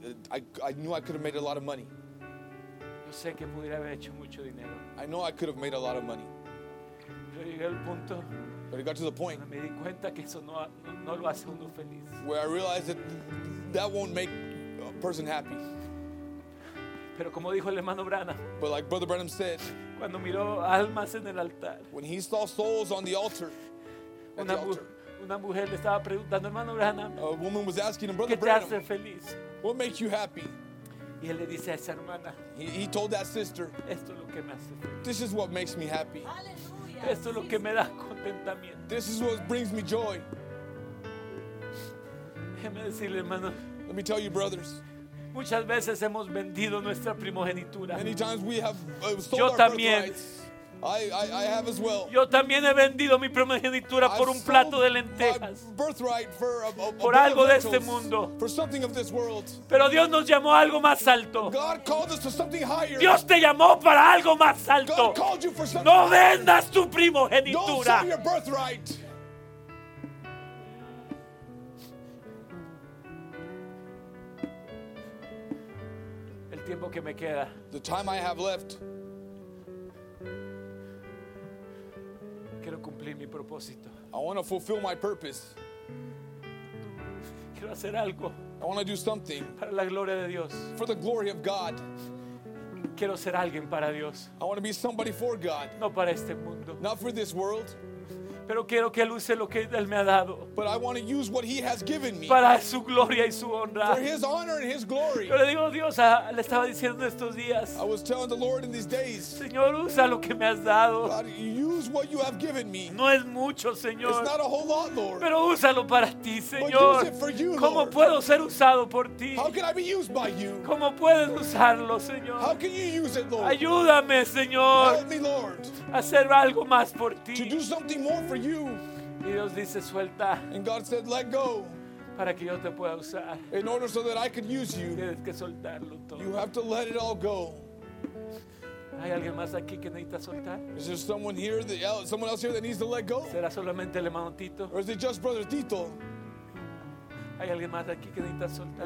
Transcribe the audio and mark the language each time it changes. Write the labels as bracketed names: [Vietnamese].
[English] I knew I could have made a lot of money. [Spanish] Yo sé que pudiera haber hecho mucho dinero. [English] I know I could have made a lot of money. [Spanish] Pero llegué al punto. [English] But it got to the point. [Spanish] Me di cuenta que eso no lo hace uno feliz. [English] Where I realized that won't make a person happy. [Spanish] Pero como dijo el hermano Branham. [English] But like Brother Branham said. [Spanish] Cuando miró almas en el altar. [English] When he saw souls on the altar. [Spanish] Una mujer le estaba preguntando, hermano Branham, [English] a woman was asking him, Brother [Spanish] ¿qué te hace feliz? [English] What makes you happy? [Spanish] Y él le dice a esa hermana, [English] he told that sister, [Spanish] esto es lo que me hace feliz. [English] This is what makes me happy. [Spanish] Aleluya. Esto es lo que me da contentamiento. [English] This is what brings me joy. [Spanish] Déjeme decirle, hermano, [English] let me tell you, brothers, [Spanish] muchas veces hemos vendido nuestra primogenitura. [English] Many times we have sold [Spanish] yo también [English] our birthrights. I have as well. [Spanish] Yo también he vendido mi primogenitura por un plato de lentejas. Por algo de este mundo. Pero Dios nos llamó a algo más alto. [English] God called us to something higher. [Spanish] Dios te llamó para algo más alto. [English] God called you for something. [Spanish] No vendas tu primogenitura. [English] Don't sell your birthright. [Spanish] tiempo que me queda. [English] The time I have left. [Spanish] Quiero cumplir mi propósito. [English] I want to fulfill my purpose. [Spanish] Quiero hacer algo. [English] I want to do something. [Spanish] Para la gloria de Dios. [English] For the glory of God. [Spanish] Quiero ser alguien para Dios. [English] I want to be somebody for God. [Spanish] No para este mundo. [English] Not for this world. [Spanish] Pero quiero que él use lo que él me ha dado. [English] But I want to use what he has given me. [Spanish] Para su gloria y su honra. [English] For his honor and his glory. [Spanish] Yo le digo a Dios, le estaba diciendo estos días. [English] I was telling the Lord in these days. [Spanish] Señor, usa lo que me has dado. [English] God, use what you have given me. [Spanish] No es mucho, Señor. [English] It's not a whole lot, Lord. [Spanish] Pero úsalo para ti, Señor. [English] But use it for you, Lord. [Spanish] ¿Cómo puedo ser usado por ti? [English] How can I be used by you? [Spanish] ¿Cómo puedes usarlo, Señor? [English] How can you use it, Lord? [Spanish] Ayúdame, Señor. [English] Help me, Lord. [Spanish] Hacer algo más por ti. [English] To do something more for you. [Spanish] Y Dios dice, suelta. [English] And God said, let go. [Spanish] Para que yo te pueda usar. [English] In order so that I could use you. [Spanish] Tienes que soltarlo todo. [English] You have to let it all go. [Spanish] ¿Hay alguien más aquí que necesita soltar? [English] Is there someone here, someone else here that needs to let go? [Spanish] ¿Será solamente el hermano Tito? [English] Or is it just Brother Tito? [Spanish] ¿Hay alguien más aquí que necesita soltar?